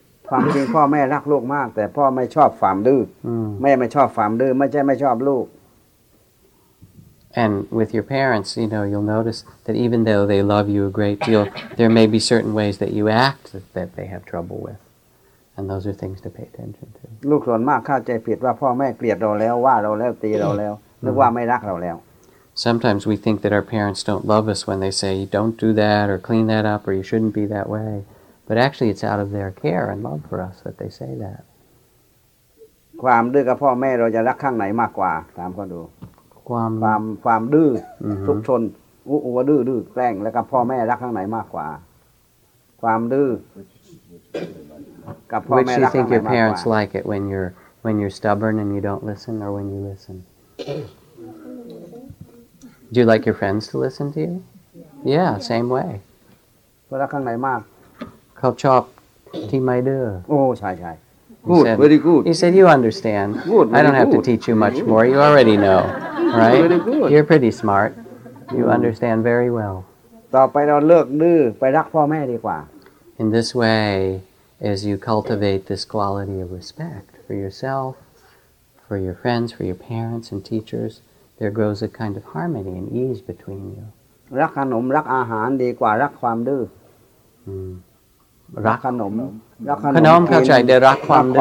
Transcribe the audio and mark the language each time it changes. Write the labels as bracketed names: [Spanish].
[Thai] ความจริงพ่อแม่รักลูกมากแต่พ่อไม่ชอบความดื้ อแม่ไม่ชอบความดื้อไม่ใช่ไม่ชอบลูก [English] And with your parents, you know, you'll notice that even though they love you a great deal, there may be certain ways that you act that they have trouble with. And those are things to pay attention to. [Thai] ลูกส่วนมากเข้าใจผิดว่าพ่อแม่เกลียดเราแล้วว่าเราแล้วตีเราแล้วนึกว่าไม่รักเราแล้ว [English] Sometimes we think that our parents don't love us when they say, don't do that, or clean that up, or you shouldn't be that way. But actually, it's out of their care and love for us that they say that. [Thai] ความดื้อกับพ่อแม่เราจะรักข้างไหนมากกว่าถามคนดูความดื้อทุกชนอุวดื้อดื้อแกล้งแล้วกับพ่อแม่รักข้างไหนมากกว่าความดื้อกับพ่อแม่รักข้างไหนมากกว่า [English] Which do you think your parents like it when you're stubborn and you don't listen or when you listen? Do you like your friends to listen to you? Yeah, same way. [Thai] รักข้างไหนมาก เขาชอบที่ไม่ดื้อ โอ้ใช่ๆ [English] Good very good He said you understand good, I don't have good. To teach you much more you already know right very good. You're pretty smart you understand very well [Thai] ต่อไปเราเลิกดื้อไปรักพ่อแม่ดีกว่า [English] In this way as you cultivate this quality of respect for yourself for your friends for your parents and teachers there grows a kind of harmony and ease between you [Thai] รักขนมรักอาหารดีกว่ารักความดื้ อ รัก ขนม รักขนมเข้าใจได้รักความดื้อ